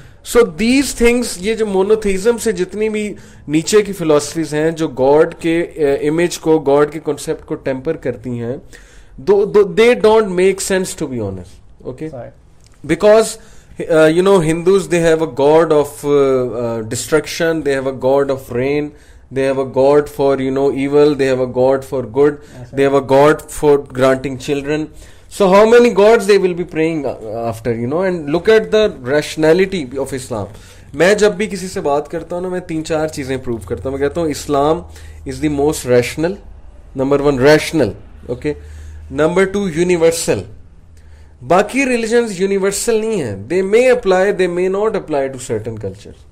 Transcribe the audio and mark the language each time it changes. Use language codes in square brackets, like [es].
[en] so these things, [hi] ये जो monotheism से जितनी भी नीचे की फिलोसफीज हैं जो गॉड के इमेज को, गॉड के कॉन्सेप्ट को टेम्पर करती हैं, [en] they don't make sense to be honest, [hi] okay? [en] Because you know Hindus they have a god of destruction, they have a god of rain, they have a god for you know evil, they have a god for good, they have a god for granting children. So how many gods they will be praying after, you know? And look at the rationality of Islam. [hi] मैं जब भी किसी से बात करता हूँ ना, मैं तीन चार चीजें प्रूव करता हूँ। मैं कहता हूँ [en] Islam is the most rational, number one rational, okay, number two universal, [hi] बाकी रिलीजन्स यूनिवर्सल नहीं है, [en] They may apply they may not apply to certain culture.